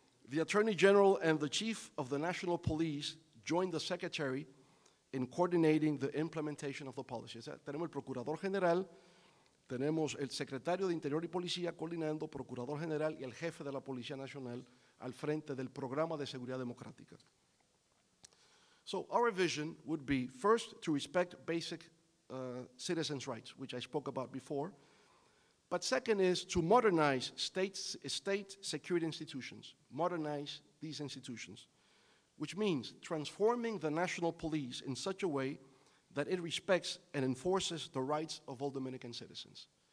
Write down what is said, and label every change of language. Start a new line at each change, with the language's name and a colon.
English: The Attorney General and the Chief of the National Police joined the Secretary in coordinating the implementation of the policy.
Spanish: O sea, tenemos el Procurador General, tenemos el Secretario de Interior y Policía coordinando, Procurador General y el Jefe de la Policía Nacional al frente del Programa de Seguridad Democrática.
English: So our vision would be first to respect basic citizens' rights, which I spoke about before, but second is to modernize state security institutions, modernize these institutions, which means transforming the national police in such a way that it respects and enforces the rights of all Dominican citizens.